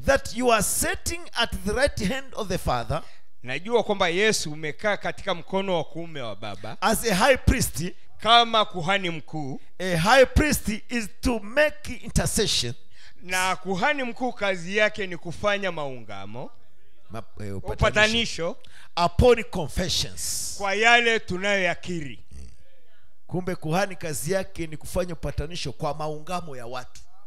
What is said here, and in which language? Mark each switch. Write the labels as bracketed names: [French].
[English] That you are sitting at the right hand of the Father. [Swahili] Najua kwamba Yesu umekaa katika mkono wa kuume wa Baba. [English] As a high priest. [Swahili] Kama kuhani mkuu. [English] A high priest is to make intercession. [Swahili] Na kuhani mkuu kazi yake ni kufanya maungamo. Upatanisho. [English] Upon confessions. [Swahili] Kwa yale tunayoyakiri. Kumbe kuhani kazi yake ni kufanya upatanisho kwa maungamo ya watu.